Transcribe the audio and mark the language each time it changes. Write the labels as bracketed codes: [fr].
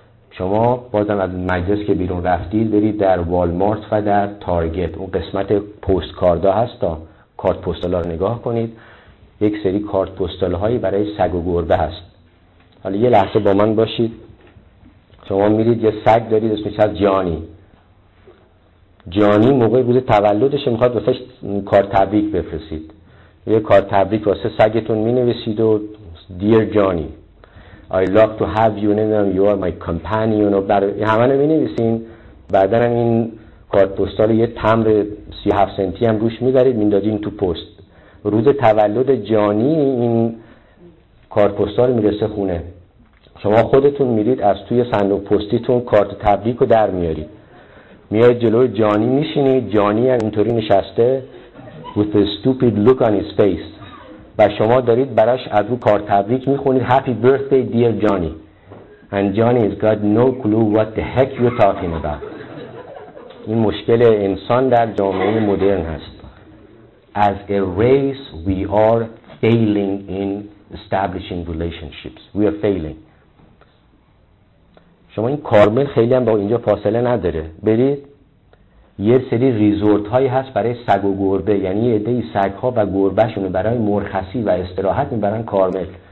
[fa] شما بازم از مجلس که بیرون رفتید برید در والمارت و در تارگت، اون قسمت پستکارد هست، تا کارت پستال‌ها رو نگاه کنید، یک سری کارت پستال‌هایی برای سگ و گربه هست. حالا یه لحظه با من باشید. شما میرید یه سگ دارید اسمش از جانی. جانی موقع بوده تولدش میخواد واسش کارت تبریک بفرستید. یه کارت تبریک واسه سگتون می‌نویسید و [en] Dear Johnny I love to have you and you are my companion. [fa] همه رو می‌نویسین، بعدن این کارت پستال یه تمبر 37 سنتی هم روش می‌دارید می‌ندازین تو پست. روز تولد جانی این کارت پستال میرسه خونه. شما خودتون میرید از توی صندوق پستیتون کارت تبریک رو در میارید، میاید جلوی جانی میشینید، جانی هم اینطوری نشسته [en] with a stupid look on his face [fa] و شما دارید براش از رو کارت تبریک میخونید [en] Happy birthday dear Johnny and Johnny has got no clue what the heck you're talking about. [fa] این مشکل انسان در جامعه مدرن هست. [en] As a race, we are failing in establishing relationships. We are failing. [fa] شما این کارمل خیلی هم با اینجا فاصله نداره. برید یه سری ریزورت هایی هست برای سگ و گربه، یعنی یه عده سگ ها و گربه شونو برای مرخصی و استراحت میبرن کارمل.